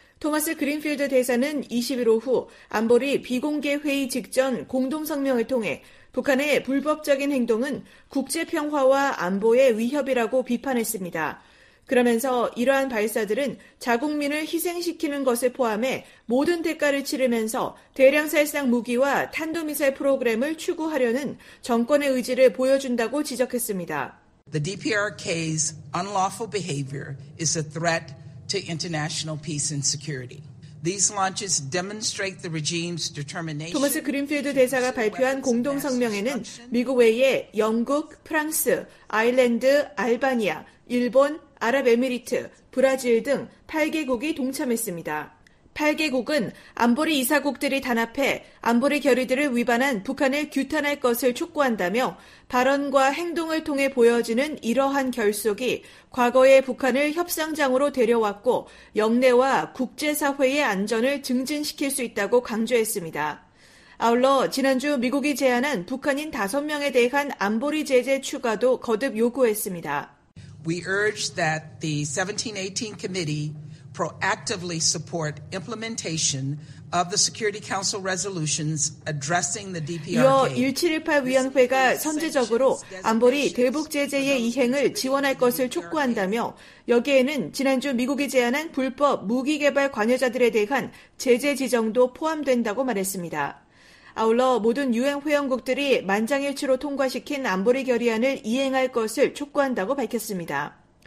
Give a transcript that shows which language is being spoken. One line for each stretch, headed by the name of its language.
Korean: 토마스 그린필드 대사는 20일 오후 안보리 비공개 회의 직전 공동성명을 통해 북한의 불법적인 행동은 국제평화와 안보의 위협이라고 비판했습니다. 그러면서 이러한 발사들은 자국민을 희생시키는 것을 포함해 모든 대가를 치르면서 대량살상 무기와 탄도미사일 프로그램을 추구하려는 정권의 의지를 보여준다고 지적했습니다.
English: The DPRK's unlawful behavior is a threat to international peace and security. These launches demonstrate the regime's determination.
Korean: 토마스 그린필드 대사가 발표한 공동성명에는 미국 외에 영국, 프랑스, 아일랜드, 알바니아, 일본, 아랍에미리트, 브라질 등 8개국이 동참했습니다. 8개국은 안보리 이사국들이 단합해 안보리 결의들을 위반한 북한을 규탄할 것을 촉구한다며 발언과 행동을 통해 보여지는 이러한 결속이 과거에 북한을 협상장으로 데려왔고 역내와 국제사회의 안전을 증진시킬 수 있다고 강조했습니다. 아울러 지난주 미국이 제안한 북한인 5명에 대한 안보리 제재 추가도 거듭 요구했습니다.
English: We urge that the 1718 committee proactively support implementation of the Security Council resolutions addressing the DPRK.
Korean: 이어 1718 위원회가 선제적으로 안보리 대북 제재의 이행을 지원할 것을 촉구한다며 여기에는 지난주 미국이 제안한 불법 무기 개발 관여자들에 대한 제재 지정도 포함된다고 말했습니다. 아울러 모든 유엔 회원국들이 만장일치로 통과시킨 안보리 결의안을 이행할 것을 촉구한다고 밝혔습니다.